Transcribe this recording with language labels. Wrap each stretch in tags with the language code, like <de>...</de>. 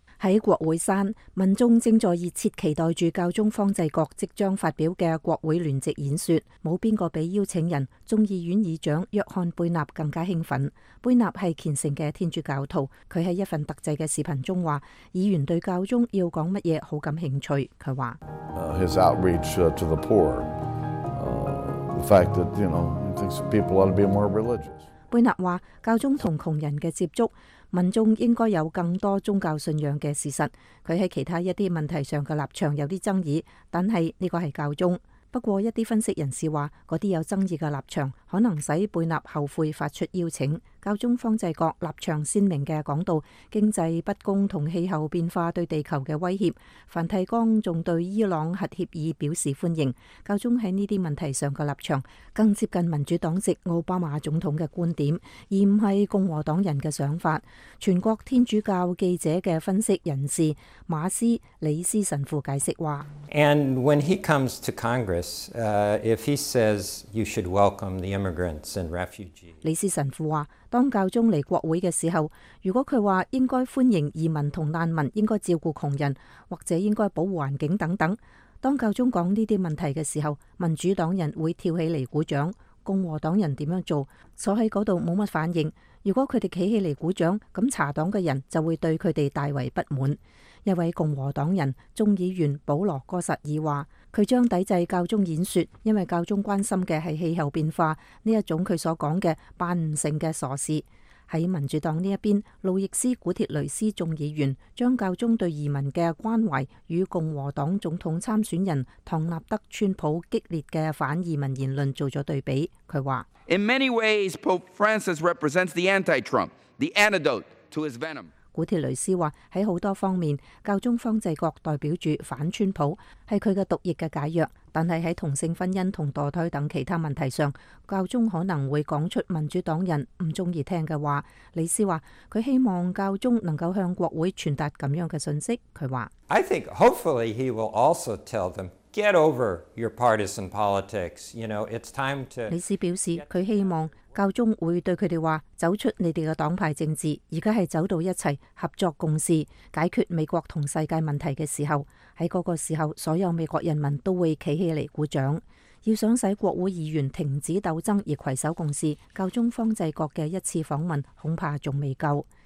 <zh>在国会山，民众正在热切期待着教宗方济各即将发表的国会联席演说，没有谁比邀请人众议院议长约翰贝纳更加兴奋。贝纳是虔诚的天主教徒，他在一份特制的视频中说议员对教宗要讲什么很感兴趣。他说</zh> <en>His outreach to the poor, the fact that, you know, he thinks people ought to be more religious.</en> <zh>贝纳说教宗和穷人的接触，民众应该有更多宗教信仰的事实，他在其他一些问题上的立场有些争议，但是这个是教宗。不过一些分析人士说，那些有争议的立场可能使贝纳后悔发出邀请。教宗方济各立场鲜明地讲到经济不公和气候变化对地球的威胁，梵蒂冈还对伊朗核协议表示欢迎。教宗在这些问题上的立场更接近民主党籍奥巴马总统的观点，而不是共和党人的想法。全国天主教记者的分析人士马斯里斯神父解释说，</zh> <en>And when he comes to Congress, if he says you should welcome the immigrants and refugees,</en> <zh>里斯神父说当教宗来国会的时候，如果他说应该欢迎移民和难民，应该照顾穷人，或者应该保护环境等等，当教宗讲这些问题的时候，民主党人会跳起来鼓掌，共和党人怎样做，坐在那里没什么反应。如果他们站起来鼓掌，那查党的人就会对他们大为不满。一位共和党人众议员保罗·戈什尔说，他将抵制教宗演说，因为教宗关心的是气候变化，这一种他所说的办不成的傻事。在民主党这一边，路易斯·古铁雷斯众议员将教宗对移民的关怀与共和党总统参选人唐纳德·川普激烈的反移民言论做了对比。他说</zh> <en>In many ways, Pope Francis represents the anti-Trump, the antidote to his venom.</en> <zh>古铁雷斯说，在很多方面，教宗方济各代表着反川普，是他的毒液的解药，但是在同性婚姻和堕胎等其他问题上，教宗可能会讲出民主党人不喜欢听的话。李斯说，他希望教宗能够向国会传达这样的信息。他说，</zh> <en>I think hopefully he will also tell them,Get over your partisan politics. You know, it's time to.</en> <zh>李斯表示，他希望教宗会对他们说，走出你们的党派政治，现在是走到一起合作共事，解决美国和世界问题的时候。在那个时候，所有美国人民都会站起来鼓掌。要想使国会议员停止斗争而携手共事，教宗方济各的一次访问恐怕还未够。</zh>